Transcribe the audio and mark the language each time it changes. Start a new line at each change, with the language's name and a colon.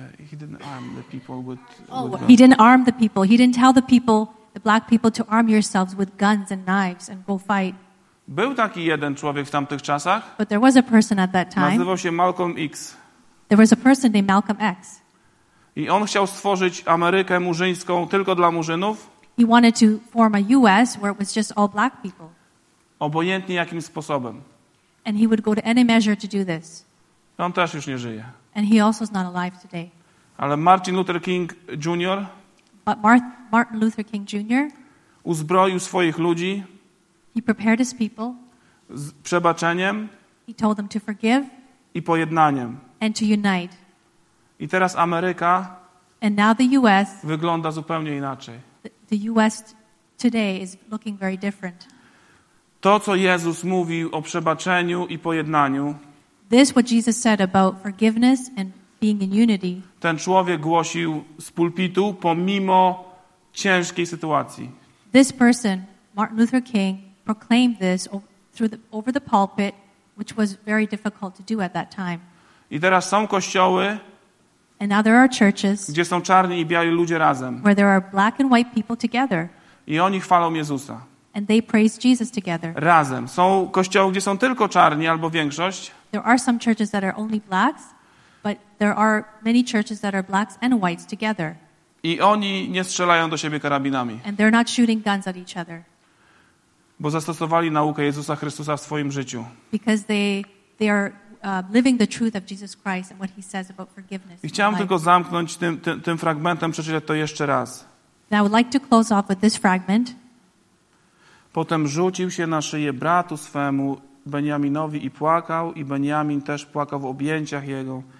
English: He didn't arm the people with He didn't arm the people. He didn't tell the black people to arm yourselves with guns and knives and go fight.
Polish: Był taki jeden człowiek w tamtych czasach.
English: But there was a person at that time.
Polish: Nazywał się Malcolm X.
English: There was a person named Malcolm X.
Polish: I on chciał stworzyć Amerykę murzyńską tylko dla Murzynów.
English: He wanted to form a US where it was just all black people.
Polish: Obojętnie jakim sposobem.
English: And he would go to any measure to do this.
Polish: On też już nie żyje.
English: And he also is not alive today.
Polish: Ale Martin Luther King Jr.
English: But Martin Luther King Jr.
Polish: uzbroił swoich ludzi.
English: He prepared his people.
Polish: Z przebaczeniem.
English: He told them to forgive.
Polish: I pojednaniem.
English: And to unite.
Polish: I teraz Ameryka.
English: And now the US.
Polish: Wygląda zupełnie inaczej.
English: The US today is looking very different.
Polish: To, co Jezus mówił o przebaczeniu i pojednaniu.
English: This what Jesus said about forgiveness and being in unity.
Polish: Ten człowiek głosił z pulpitu pomimo ciężkiej sytuacji.
English: This person, Martin Luther King, proclaimed this over the pulpit, which was very difficult to do at that time.
Polish: I teraz są kościoły,
English: and now there are churches,
Polish: gdzie są czarni i biali ludzie razem,
English: where there are black and white people together.
Polish: I oni chwalą Jezusa.
English: And they praise Jesus together.
Polish: Razem. Są kościoły, gdzie są tylko czarni albo większość.
English: There are some churches that are only blacks, but there are many churches that are blacks and whites together.
Polish: I oni nie strzelają do siebie karabinami.
English: And they're not shooting guns at each other.
Polish: Bo zastosowali naukę Jezusa Chrystusa w swoim życiu.
English: Because they are living the truth of Jesus Christ and what he says about forgiveness.
Polish: I chciałem tylko zamknąć tym fragmentem, przeczytać to jeszcze raz.
English: And I would like to close off with this fragment.
Polish: Potem rzucił się na szyję bratu swemu Beniaminowi i płakał, i Beniamin też płakał w objęciach jego.